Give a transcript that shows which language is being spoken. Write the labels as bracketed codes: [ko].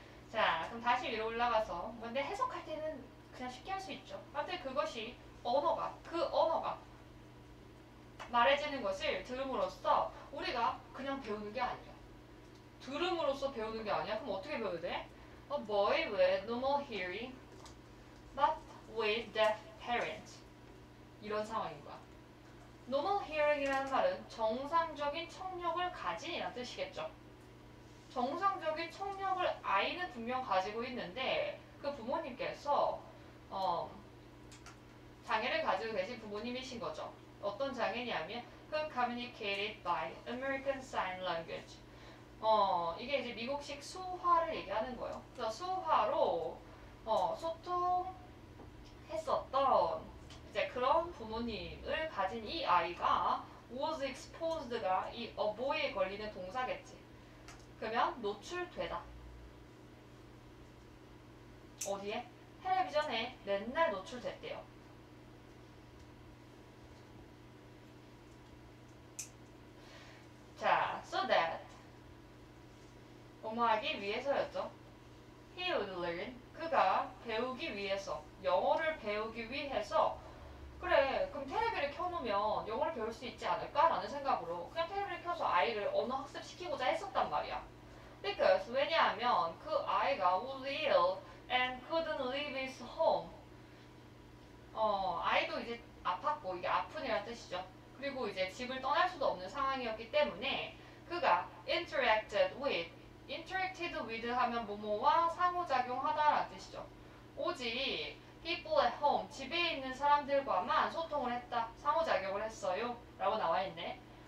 [ko] 자 그럼 다시 위로 올라가서 근데 해석할 때는 그냥 쉽게 할 수 있죠. 하여튼 그것이 언어가 그 언어가 말해지는 것을 들음으로써 우리가 그냥 배우는 게 아니야. 들음으로써 배우는 게 아니야? 그럼 어떻게 배워야 돼? [en] A boy with normal hearing but with deaf parents. [ko] 이런 상황인 거야. [en] Normal hearing [ko] 이라는 말은 정상적인 청력을 가진이라는 뜻이겠죠. 정상적인 청력을 아이는 분명 가지고 있는데 그 부모님께서 장애를 가지고 계신 부모님이신 거죠. 어떤 장애냐면 [en] who communicated by American Sign Language. [ko] 이게 이제 미국식 수화를 얘기하는 거예요. 그래서 수화로 소통했었던 이제 그런 부모님을 가진 이 아이가 [en] was exposed [ko] 가 이 a boy에 걸리는 동사겠지. 그러면 노출되다. 어디에? 텔레비전에 맨날 노출됐대요. 자, so that 공부하기 위해서였죠. [en] He would learn. [ko] 그가 배우기 위해서, 영어를 배우기 위해서. 그래, 그럼 그럼 테레비를 켜놓으면 영어를 배울 수 있지 않을까라는 생각으로 그냥 테레비를 켜서 아이를 언어 학습시키고자 했었단 말이야. [en] Because [ko] 왜냐하면 그 아이가 [en] was ill and couldn't leave his home. [ko] 아이도 이제 아팠고 이게 아픈이란 뜻이죠. 그리고 이제 집을 떠날 수도 없는 상황이었기 때문에 그가 [en] interacted with, interacted with [ko] 하면 뭐뭐와 상호작용하다라는 뜻이죠. 오직 [en] people at home, [ko] 집에 있는 사람들과만 소통을 했다, 상호작용을 했어요 라고 나와있네.